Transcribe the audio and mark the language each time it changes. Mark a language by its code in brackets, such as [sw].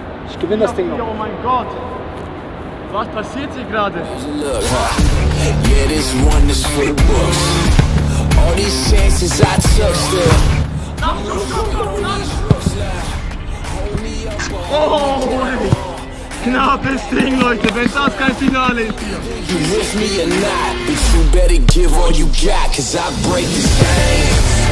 [de] Ich gewinne das Ding noch. Oh mein Gott! Was passiert hier gerade? [en] Yeah, this one is for the books. All these chances I took still. [de] Oh, ey! Knappes Ding, Leute, wenn das kein Finale ist hier. [en] You with me or not? But you better give all you got, cause I break the chains.